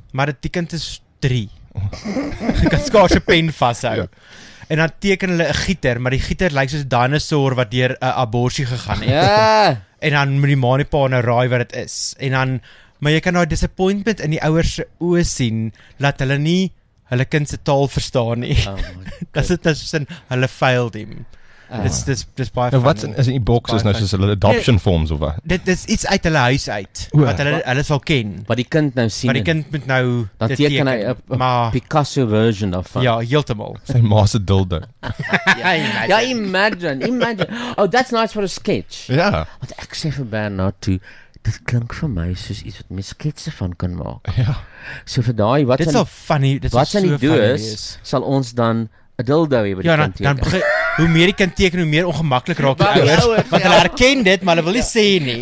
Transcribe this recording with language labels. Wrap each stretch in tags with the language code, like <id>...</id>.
<af>Maar dit die kind is 3. Jy kan skaars 'n pen vashou. Ja. En dan teken hulle 'n gieter, maar die gieter lyk soos 'n dinosour wat deur 'n abortus gegaan het. Ja. En dan moet die ma en pa nou raai wat dit is. En dan maar jy kan daai disappointment in die ouers se oë sien dat hulle nie hulle kind se taal verstaan nie. Oh dit is net soos 'n hulle failed him. Dit is dis baie. Wat is in die boks is nou soos hulle adoption forms of wat? Dit is iets uit hulle huis uit oe, wat hulle hulle sal ken. Wat die kind nou sien. Wat die kind moet nou dan teken hy 'n Picasso version of. Ja, heeltemal. Sy ma se dildo. Ja, imagine.</af> <en>Oh, that's nice for a sketch.</en> <af>Ja. Wat ek sê vir Bernard toe. Dit klink vir my soos iets wat mens sketse van kan maak. Ja. So vir daai wat dit is so funny, dit is wat so in die doos sal ons dan 'n dildo hê by die kind. Ja, dan hoe meer die kind teken, hoe meer ongemaklik raak die ouers, want hulle herken dit, maar hulle wil nie sê nie.</af>